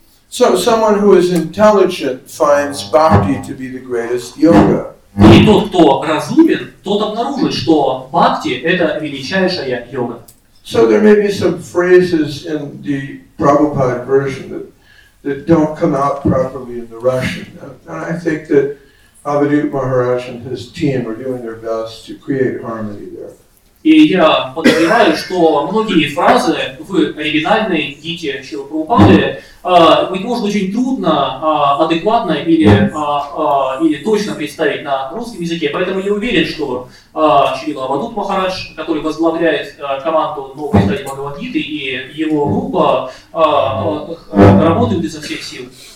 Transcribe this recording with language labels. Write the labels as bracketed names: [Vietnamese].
[English] So someone who is intelligent finds bhakti to be the greatest yoga. [Russian] И тот, кто разумен, тот обнаружит, что бхакти это величайшая йога. [English] So there may be some phrases in the Prabhupada version that don't come out properly in the Russian. And I think that Abhidhut Maharaj and his team are doing their best to create harmony there. [Russian] И я подозреваю, что многие фразы в оригинальной гите Шрила Прабхупады может быть очень трудно адекватно или точно представить на русском языке. Поэтому я уверен, что Шрила Абадут Махарадж, который возглавляет команду нового издания Бхагавад-гиты, и его группа работают изо всех сил.